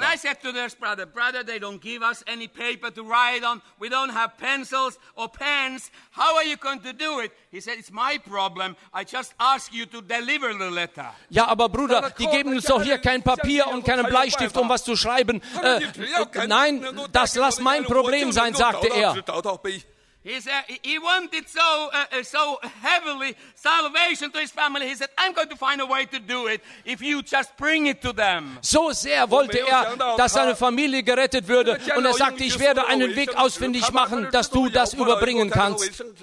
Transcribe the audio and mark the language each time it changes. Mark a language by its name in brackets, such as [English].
[English] And I said to this brother, brother, they don't give us any paper to write on. We don't have pencils or pens. How are you going to do it? He said, it's my problem. I just ask you to deliver the letter. [German] Ja, aber Bruder, die geben uns doch hier kein Papier und keinen Bleistift, um was zu schreiben. Nein, das lass mein Problem sein, sagte er. [English] He said he wanted so heavily salvation to his family. He said, "I'm going to find a way to do it if you just bring it to them." [German] So sehr wollte er, dass seine Familie gerettet würde, und er sagte, ich werde einen Weg ausfindig machen, dass du das überbringen kannst.